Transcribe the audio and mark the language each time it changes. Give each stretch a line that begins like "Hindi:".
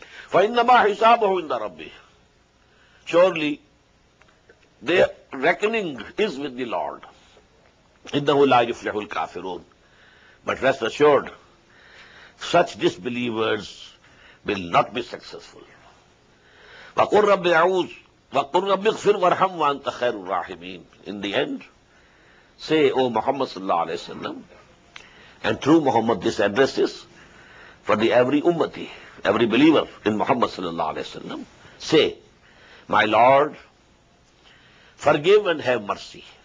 Arabic: فَإِنَّمَا حِسَابُهُ عِنْدَ رَبِّهِ.
English: Surely, their reckoning is with the Lord.
Arabic: إنه لا يفلح الكافرون.
English: But rest assured, such disbelievers will not be successful.
Arabic: وقل رب أعوذ وقل رب اغفر وارحم وأنت خير الراحمين.
English: In the end, say, O Muhammad sallallahu alayhi wa sallam, and through Muhammad this address is for the every ummati, every believer in Muhammad sallallahu alayhi wa sallam, say, My Lord, forgive and have mercy.